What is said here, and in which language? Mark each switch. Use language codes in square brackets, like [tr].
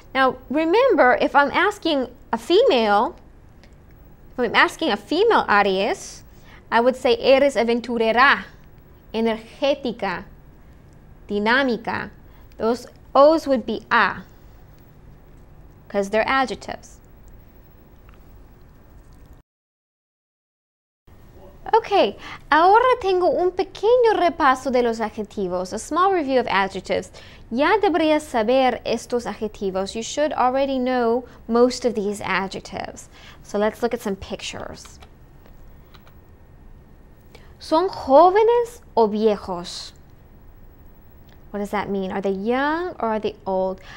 [en] Now, remember, if I'm asking a female, if I'm asking a female Aries, I would say, [es] eres aventurera, energética, dinámica. [en] Those O's would be A, because they're adjectives. [es] Okay, ahora tengo un pequeño repaso de los adjetivos, [en] a small review of adjectives. [es] Ya deberías saber estos adjetivos. [en] You should already know most of these adjectives. So let's look at some pictures. [es] ¿Son jóvenes o viejos? [en] What does that mean? Are they young or are they old?